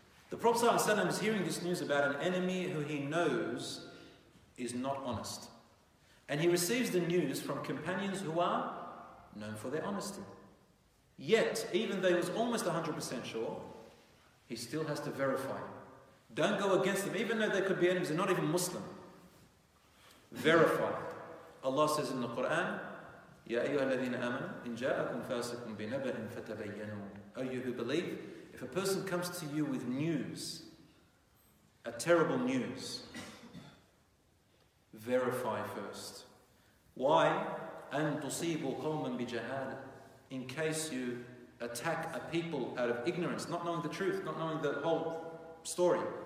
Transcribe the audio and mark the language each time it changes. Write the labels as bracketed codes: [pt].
[en] The Prophet ﷺ is hearing this news about an enemy who he knows is not honest. And he receives the news from companions who are known for their honesty. Yet, even though he was almost 100% sure, he still has to verify. Don't go against them, even though they could be enemies, they're not even Muslim. Verify. Allah says in the Quran, [ar] يَا أَيُّهَا الَّذِينَ آمَنُوا إِنْ جَاءَكُمْ فَاسِقٌ بِنَبَأٍ فَتَبَيَّنُوا. [en] O you who believe, if a person comes to you with news, a terrible news, verify first. Why? [ar] أَن تُصِيبُوا قَوْمًا بِجَهَالَةٍ. [en] In case you attack a people out of ignorance, not knowing the truth, not knowing the whole story.